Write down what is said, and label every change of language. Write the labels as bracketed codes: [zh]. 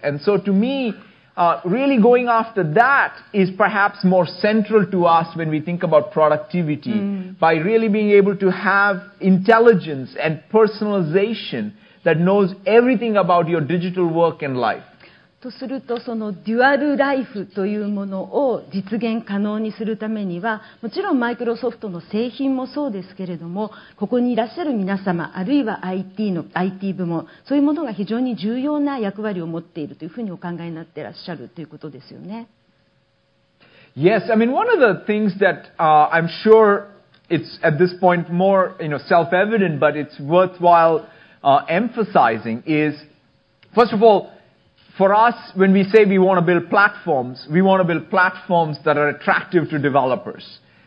[en] And so to me, really going after that is perhaps more central to us when we think about productivity by really being able to have intelligence and personalization that knows everything about your digital work and life. [ja] とするとそのデュアルライフというものを実現可能にするためにはもちろんマイクロソフトの製品もそうですけれどもここにいらっしゃる皆様あるいは IT 部門そういうものが非常に重要な役割を持っているというふうにお考えになっていらっしゃるということですよね。 [en] Yes, I mean one of the things that I'm sure it's at this point more self-evident but it's worthwhile emphasizing is first of allFor us, when we say we want to build platforms, we want to build platforms that are attractive to developers.